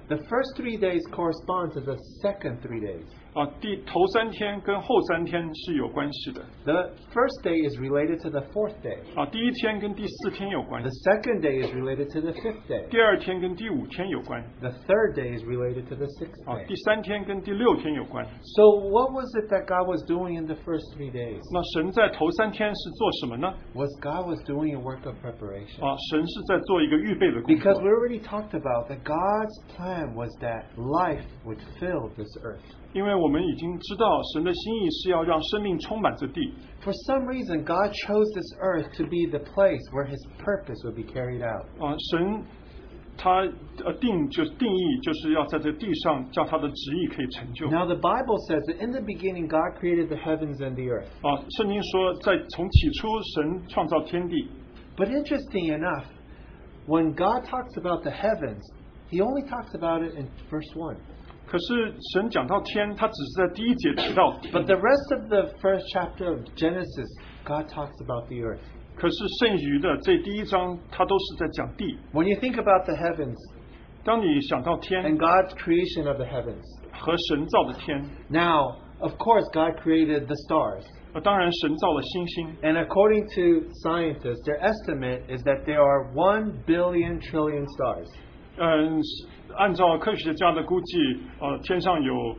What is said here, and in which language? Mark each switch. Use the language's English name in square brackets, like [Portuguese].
[English] The first 3 days correspond to the second 3 days. [Chinese] 头三天跟后三天是有关系的。 [English] The first day is related to the fourth day. [Chinese] 第一天跟第四天有关系。 [English] The second day is related to the fifth day. [Chinese] 第二天跟第五天有关系。 [English] The third day is related to the sixth day. [Chinese] 第三天跟第六天有关系。 [English] So what was it that God was doing in the first 3 days? [Chinese] 那神在头三天是做什么呢? [English] God was doing a work of preparation. [Chinese] 神是在做一个预备的工作。 [English] Because we already talked about that God's plan was that life would fill this earth. [Chinese] 因为我们已经知道神的心意是要让生命充满这地。 [English] For some reason, God chose this earth to be the place where His purpose would be carried out. [Chinese] 神定义就是要在这地上叫他的旨意可以成就。 [English] Now the Bible says that in the beginning, God created the heavens and the earth. [Chinese] 圣经说在从起初神创造天地。 [English] But interesting enough, when God talks about the heavens, He only talks about it in verse 1. [Chinese] 可是神讲到天, [English] but the rest of the first chapter of Genesis, God talks about the earth. [Chinese] 可是剩余的这第一章, [English] when you think about the heavens, [Chinese] 当你想到天, [English] and God's creation of the heavens, [Chinese] 和神造的天, [English] now, of course, God created the stars. [Chinese] 当然神造了星星, [English] and according to scientists, their estimate is that there are 1 billion trillion stars. [Chinese] 按照科学家的估计, 天上有,